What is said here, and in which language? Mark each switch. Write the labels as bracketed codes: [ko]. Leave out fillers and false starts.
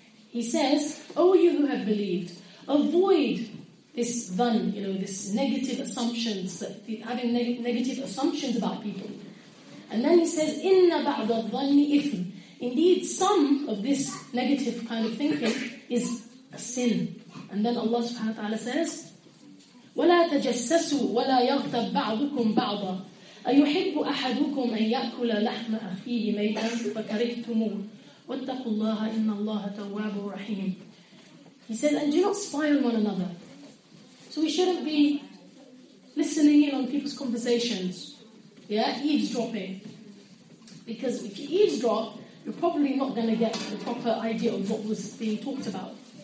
[en] He says, "Oh, you who have believed, avoid this dhan, you know, this negative assumptions, having negative assumptions about people." And then he says, [ar] "Inna ba'da dhanni ithm." [en] Indeed, some of this negative kind of thinking is a sin. And then Allah subhanahu wa ta'ala says, [ar] وَلَا تَجَسَّسُوا وَلَا يَغْتَبْ بَعْضُكُمْ بَعْضًا أَيُحِبُّ أَحَدُكُمْ أَنْ يَأْكُلَ لَحْمَ أَخِيهِ مَيْتًا فَكَرِهْتُمُوهُ وَاتَّقُوا اللَّهَ إِنَّ اللَّهَ تَوَّابٌ رَحِيمٌ. [en] He says, and do not spy on one another. So we shouldn't be listening in on people's conversations. Yeah, eavesdropping. Because if you eavesdrop, you're probably not going to get the proper idea of what was being talked about.